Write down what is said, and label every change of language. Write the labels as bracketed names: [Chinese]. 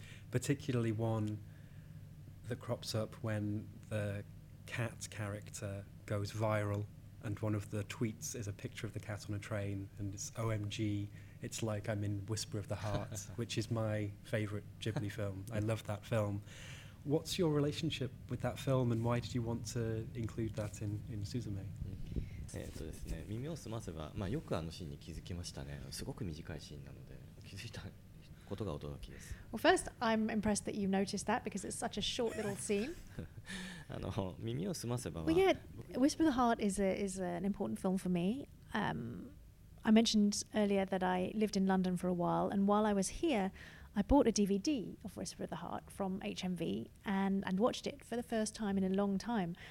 [English] Particularly one that crops up when the cat character goes viral, and one of the tweets is a picture of the cat on a train, and it's OMG, it's like I'm in Whisper of the Heart, which is my favorite Ghibli film. I love that film. What's your relationship with that film, and why did you want to include that in Suzume? [Japanese] ですね、耳を澄ませば、まあ、よくあのシーンに気づきましたね。すごく短いシーンなので、気づいたことが驚きです。 [English] Well, first, I'm impressed that you noticed that because it's such a short little scene. [Japanese] あの、耳を澄ませば。 [English] Well, yeah, Whisper of the Heart is an important film for me. I mentioned earlier that I lived in London for a while, and while I was here, I bought a DVD of Whisper of the Heart from HMV and watched it for the first time in a long time.